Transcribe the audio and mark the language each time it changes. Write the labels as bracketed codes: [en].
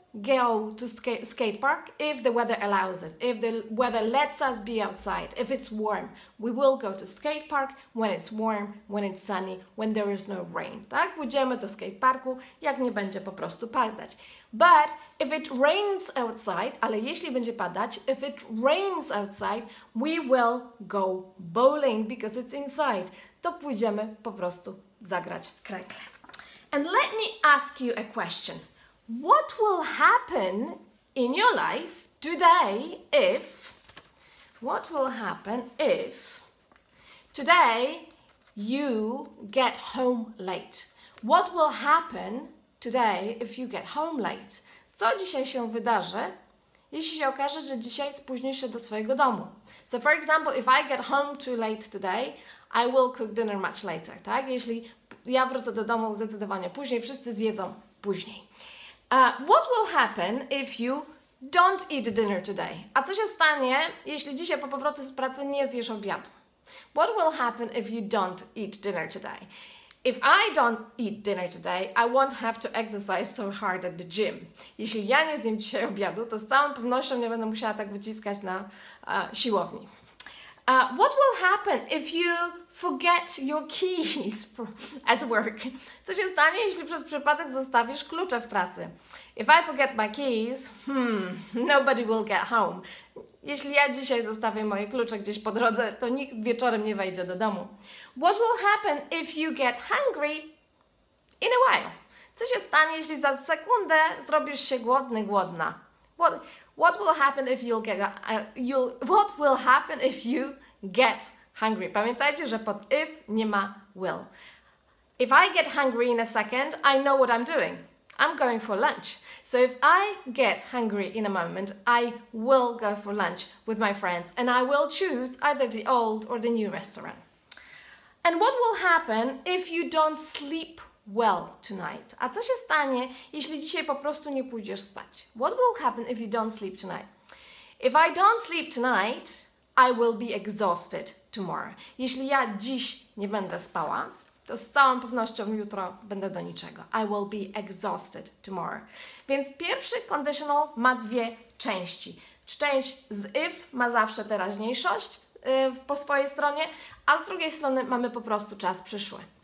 [en] go to skate park if the weather allows it. If the weather lets us be outside, if it's warm, we will go to skate park when it's warm, when it's sunny, when there is no rain. [pl] Tak? Pójdziemy do skate parku, jak nie będzie po prostu padać. [en] But if it rains outside, [pl] ale jeśli będzie padać, [en] if it rains outside, we will go bowling because it's inside. [pl] To pójdziemy po prostu zagrać w krękle. [en] And let me ask you a question. What will happen in your life today if, what will happen if today you get home late? What will happen today if you get home late? [pl] Co dzisiaj się wydarzy, jeśli się okaże, że dzisiaj spóźnisz się do swojego domu? [en] So for example, if I get home too late today, I will cook dinner much later, tak? [pl] Jeśli ja wrócę do domu zdecydowanie później, wszyscy zjedzą później. [en] What will happen if you don't eat dinner today? [pl] A co się stanie, jeśli dzisiaj po powrocie z pracy nie zjesz obiadu? [en] What will happen if you don't eat dinner today? If I don't eat dinner today, I won't have to exercise so hard at the gym. [pl] Jeśli ja nie zjem dzisiaj obiadu, to z całą pewnością nie będę musiała tak wyciskać na siłowni. [en] What will happen if you forget your keys at work? [pl] Co się stanie, jeśli przez przypadek zostawisz klucze w pracy? [en] If I forget my keys, nobody will get home. [pl] Jeśli ja dzisiaj zostawię moje klucze gdzieś po drodze, to nikt wieczorem nie wejdzie do domu. [en] What will happen if you get hungry in a while? [pl] Co się stanie, jeśli za sekundę zrobisz się głodny, głodna? [en] What will happen if you'll get what will happen if you get hungry? [pl] Pamiętajcie, że pod if nie ma will. [en] If I get hungry in a second, I know what I'm doing. I'm going for lunch. So if I get hungry in a moment, I will go for lunch with my friends and I will choose either the old or the new restaurant. And what will happen if you don't sleep well tonight? [pl] A co się stanie, jeśli dzisiaj po prostu nie pójdziesz spać? [en] What will happen if you don't sleep tonight? If I don't sleep tonight, I will be exhausted tomorrow. [pl] Jeśli ja dziś nie będę spała, to z całą pewnością jutro będę do niczego. [en] I will be exhausted tomorrow. [pl] Więc pierwszy conditional ma dwie części. Część z if ma zawsze teraźniejszość po swojej stronie, a z drugiej strony mamy po prostu czas przyszły.